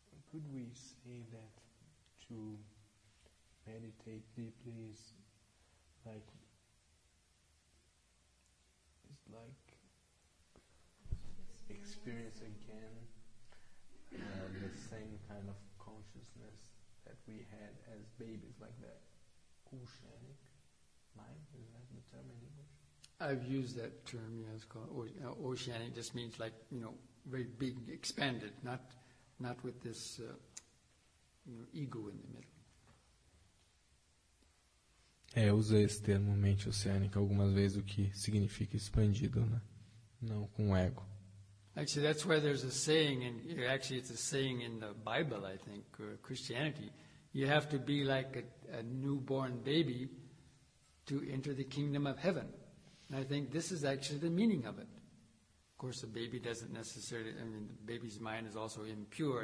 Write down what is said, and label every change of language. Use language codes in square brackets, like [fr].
[en] Could we say that to meditate deeply is like experience again the same kind of consciousness that we had as babies, like that oceanic mind? Is that the term in English? I've used that term, yes. It's called oceanic, just means like, you know, very big, expanded, not with this ego in the middle. [pt] Eu usei esse termo, mente oceânica, algumas vezes, o que significa expandido, né? Não com ego. [en] Actually, that's where there's a saying, and actually it's a saying in the Bible, I think, or Christianity. You have to be like a newborn baby to enter the kingdom of heaven. And I think this is actually the meaning of it. Of course, a baby doesn't necessarily, I mean, the baby's mind is also impure.